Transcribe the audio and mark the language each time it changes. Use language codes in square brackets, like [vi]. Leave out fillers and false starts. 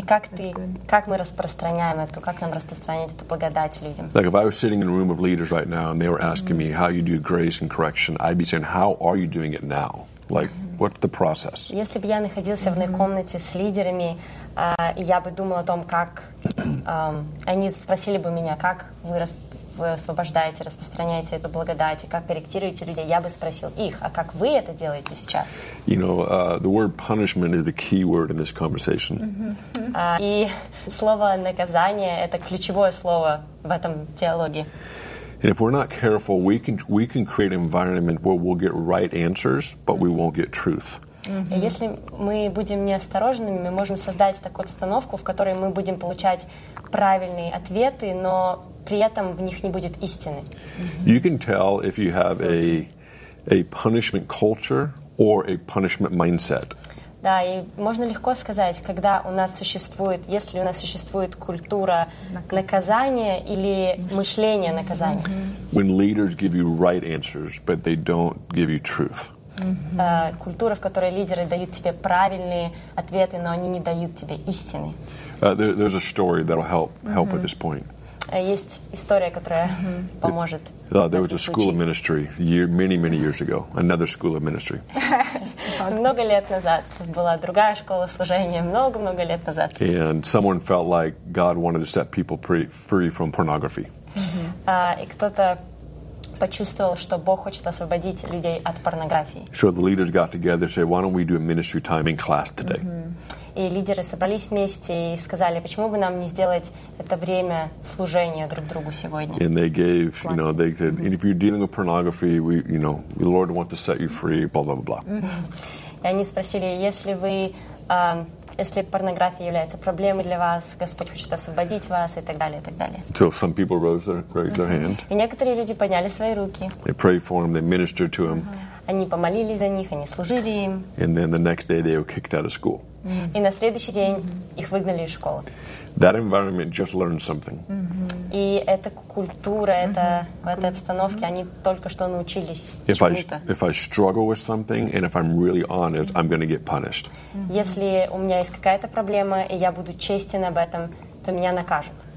[ru] И как ты, как мы распространяем это, как нам распространять эту благодать людям? [en] Like if I was sitting in a room of leaders right now and they were asking mm-hmm. me how you do grace and correction, I'd be saying, how are you doing it now? Like, what's the process? [ru] Если бы я находился в одной комнате с лидерами, я бы думал о том, как они спросили бы меня, как вы освобождаете, распространяете эту благодать, как корректируете людей. Я бы спросил их, а как вы это делаете сейчас? [en] You know, the word punishment is the key word in this conversation. [ru] И слово наказание это ключевое слово в этом диалоге. [en] And if we're not careful, we can create an environment where we'll get right answers, but we won't get truth. Mm-hmm. [ru] Если мы будем неосторожными, мы можем создать такую обстановку, в которой мы будем получать правильные ответы, но при этом в них не будет истины. Mm-hmm. [en] You can tell if you have a punishment culture or a punishment mindset. [ru] Да, и можно легко сказать, когда у нас существует, если у нас существует культура наказания или мышление наказания. [en] When leaders give you right answers, but they don't give you truth. [ru] Культура, в которой лидеры дают тебе правильные ответы, но они не дают тебе истины. [en] There's a story that'll help at this point. [ru] Есть история, которая поможет. [en] There was a school of ministry many years ago. Another school of ministry. [ru] Много лет назад была другая школа служения. Много лет назад. [en] And someone felt like God wanted to set people free from pornography. [ru] И кто-то почувствовал, что Бог хочет освободить людей от порнографии. [en] So the leaders got together and said, "Why don't we do a ministry time in class today?" [ru] И лидеры собрались вместе и сказали, почему бы нам не сделать это время служения друг другу сегодня. [en] And they gave, you know, they said, and if you're dealing with pornography, we, you know, the Lord wants to set you free, blah, blah, blah. [ru] И они спросили, если вы, если порнография является проблемой для вас, Господь хочет освободить вас и так далее, и так далее. [en] So some people raised their hand. [ru] И некоторые люди подняли свои руки. [en] They prayed for them, they ministered to them. [ru] Они помолились за них, они служили им. [en] And then the next day they were kicked out of school. [ru] И на следующий день их выгнали из школы. [en] That environment just learned something. [ru] И эта культура, это в этой обстановке они только что научились. [en] If I struggle with something and if I'm really honest, I'm going to get punished. [ru] Если у меня есть какая-то проблема и я буду честен об этом, то меня накажут.